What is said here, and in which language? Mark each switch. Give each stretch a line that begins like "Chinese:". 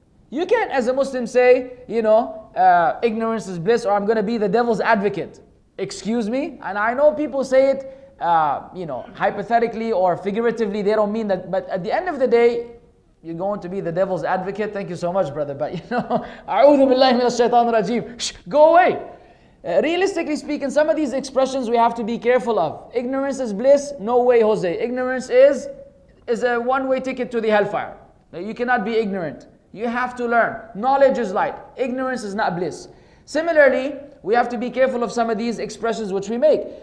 English: You can't, as a Muslim, say, you know, ignorance is bliss, or I'm going to be the devil's advocate. Excuse me? And I know people say it, you know, hypothetically or figuratively, they don't mean that. But at the end of the day, you're going to be the devil's advocate. Thank you so much, brother. But, you know,
Arabic: أعوذ بالله من الشيطان الرجيم.
English: Go away. Realistically speaking, some of these expressions we have to be careful of. Ignorance is bliss. No way, Jose. Ignorance is a one-way ticket to the hellfire. You cannot be ignorant. You have to learn. Knowledge is light. Ignorance is not bliss. Similarly, we have to be careful of some of these expressions which we make.